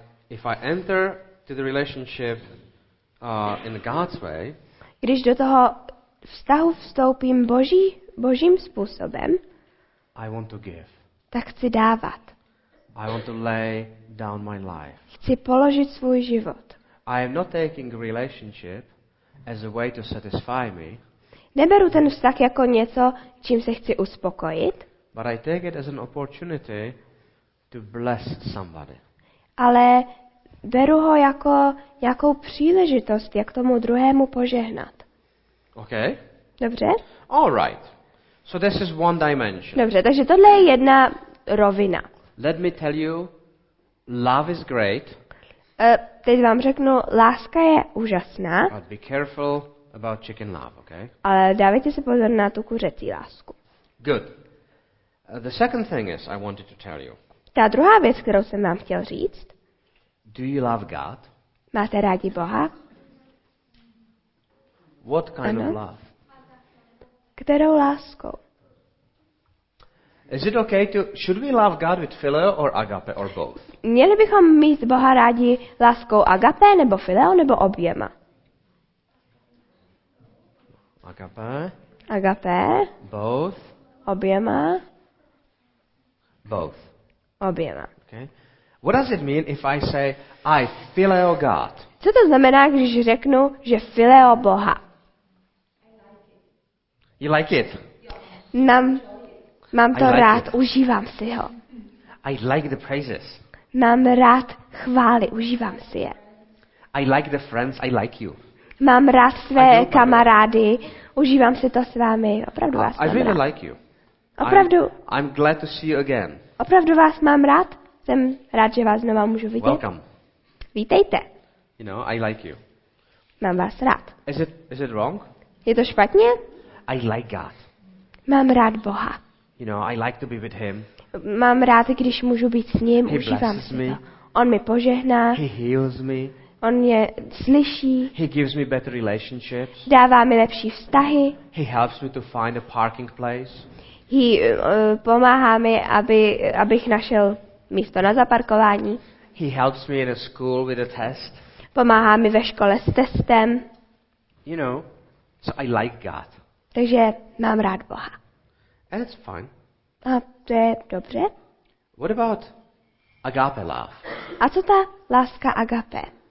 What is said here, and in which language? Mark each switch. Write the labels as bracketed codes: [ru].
[en] If I enter to the relationship in God's way, [cs] když do toho vztahu vstoupím božím způsobem, [en] I want to give. [cs] Tak chci dávat. [en] I want to lay down my life. [cs] Chci položit svůj život. [en] I am not taking a relationship as a way to satisfy me. [cs] Neberu ten vztah jako něco, čím se chci uspokojit. [en] But I take it as an opportunity to bless somebody. [cs] Ale beru ho jako nějakou příležitost, jak tomu druhému požehnat. [en] Okay. [cs] Dobře. [en] All right. So this is one dimension. [cs] Dobře, takže tohle je jedna rovina. [en] Let me tell you, love is great. [cs] Teď vám řeknu, láska je úžasná. [en] But be careful about chicken love, okay? [cs] Ale dávejte si pozor na tu kuřecí lásku. [en] Good. The second thing is I wanted to tell you. [cs] Ta druhá věc, kterou jsem vám chtěl říct. [en] Do you love God? [cs] Máte rádi Boha? [en] What kind of love? [cs] Kterou láskou? [en] Is it okay to should we love God with phileo or agape or both? [cs] Měli bychom mít Boha rádi láskou agape nebo phileo nebo oběma? [en] Agape? [cs] Agape? [en] Both? [cs] Oběma? [en] both. [cs] Oběma. [en] Okay. What does it mean if I say I phileo God? [cs] Co to znamená, když řeknu, že phileo Boha? [en] You like it? [cs] Mám to rád, užívám si ho. [en] I like the praises. [cs] Mám rád chvály, užívám si je. [en] I like the friends, I like you. [cs] Mám rád své kamarády, užívám si to s vámi, opravdu vás mám [en] I really [cs] rád. [en] Like you. [cs] Opravdu. [en] I'm glad to see you again. [cs] Opravdu vás mám rád, jsem rád, že vás znovu můžu vidět. [en] Welcome. [cs] Vítejte. [en] You know, I like you. [cs] Mám vás rád. [en] Is it wrong? [cs] Je to špatně? [en] I like God. [cs] Mám rád Boha. [en] You know, I like to be with him. [cs] Mám rád, když můžu být s ním, [en] he [cs] užívám si [en] me. [cs] To. On mi požehná. [en] He heals me. [cs] On mě slyší. [en] He gives me better relationships. [cs] Dává mi lepší vztahy. [en] He helps me to find a parking place. [cs] Pomáhá mi, abych našel místo na zaparkování. [en] He helps me in a school with a test. [cs] Pomáhá mi ve škole s testem. [en] You know, so I like God. [cs] Takže mám rád Boha. [en] And it's fine. [cs] A to je dobře. [en] What about agape love? [cs] A co ta láska agape?